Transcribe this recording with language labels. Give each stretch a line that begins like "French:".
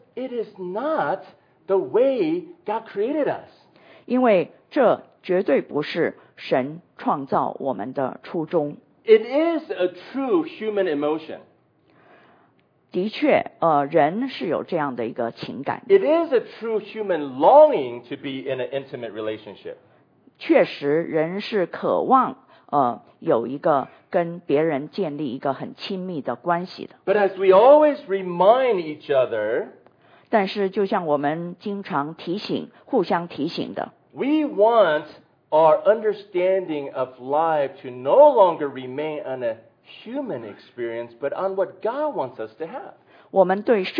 English: it is not the way God created us.
Chinese: 因为这绝对不是神创造我们的初衷。
English: It is a true human emotion.
Chinese: 的确，人是有这样的一个情感的。
English: It is a true human longing to be in an intimate relationship.
Chinese: 确实，人是渴望有一个跟别人建立一个很亲密的关系的。
English: But as we always remind each other,
Chinese: 但是就像我们经常提醒，互相提醒的。
English: We want our understanding of life to no longer remain on a human experience, but on what God wants us to have.